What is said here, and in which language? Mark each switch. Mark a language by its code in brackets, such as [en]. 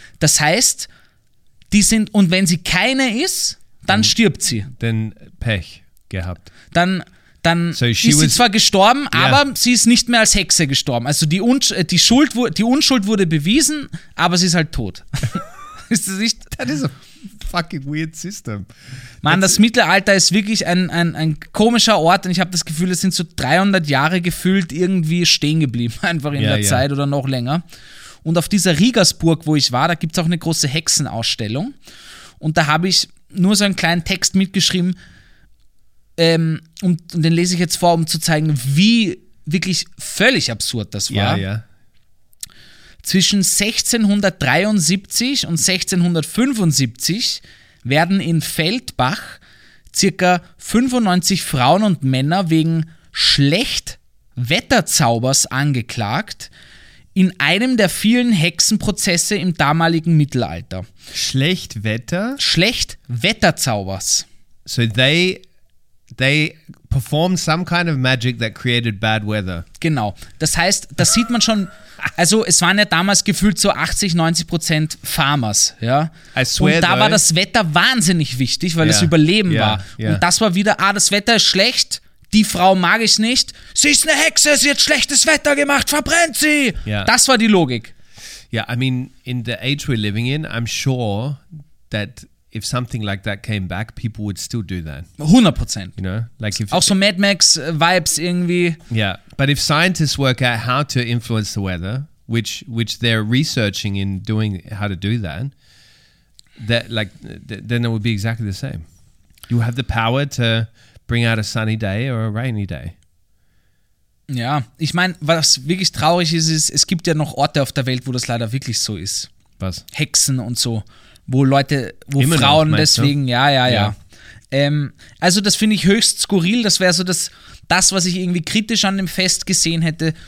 [de] Das heißt, die sind, und wenn sie keine ist, dann stirbt sie. Denn Pech gehabt. Dann so ist sie zwar gestorben, aber sie ist nicht mehr als Hexe gestorben. Also die Unschuld wurde bewiesen, aber sie ist halt tot. Ist das nicht? [en] That is a fucking weird system. [de] Mann, das Mittelalter ist wirklich ein komischer Ort und ich habe das Gefühl, es sind so 300 Jahre gefühlt irgendwie stehen geblieben, einfach in der Zeit oder noch länger. Und auf dieser Riegersburg, wo ich war, da gibt es auch eine große Hexenausstellung und da habe ich nur so einen kleinen Text mitgeschrieben, und den lese ich jetzt vor, um zu zeigen, wie wirklich völlig absurd das war. Ja. Zwischen 1673 und 1675 werden in Feldbach circa 95 Frauen und Männer wegen Schlechtwetterzaubers angeklagt, in einem der vielen Hexenprozesse im damaligen Mittelalter. Schlechtwetter? Schlechtwetterzaubers. [en] So they performed some kind of magic that created bad weather. [de] Genau. Das heißt, das sieht man schon. Also es waren ja damals gefühlt so 80-90% Farmers. Ja? [en] I swear, [de] und da war das Wetter wahnsinnig wichtig, weil das Überleben war. [en] Yeah. [de] Und das war wieder, das Wetter ist schlecht, die Frau mag ich nicht, sie ist eine Hexe, sie hat schlechtes Wetter gemacht, verbrennt sie. [en] Yeah. [de] Das war die Logik. [en] Yeah, I mean, in the age we're living in, I'm sure that if something like that came back, people would still do that. 100%. You know, like if [de] auch so Mad Max vibes irgendwie. [en] Yeah, but if scientists work out how to influence the weather, which they're researching in doing how to do that, that like then it would be exactly the same. You have the power to bring out a sunny day or a rainy day. [de] Ja, ich meine, was wirklich traurig ist, ist, es gibt ja noch Orte auf der Welt, wo das leider wirklich so ist. Was? Hexen und so. Wo Leute, wo immer Frauen noch, deswegen, du? Ja. Also das finde ich höchst skurril. Das wäre so das, was ich irgendwie kritisch an dem Fest gesehen hätte.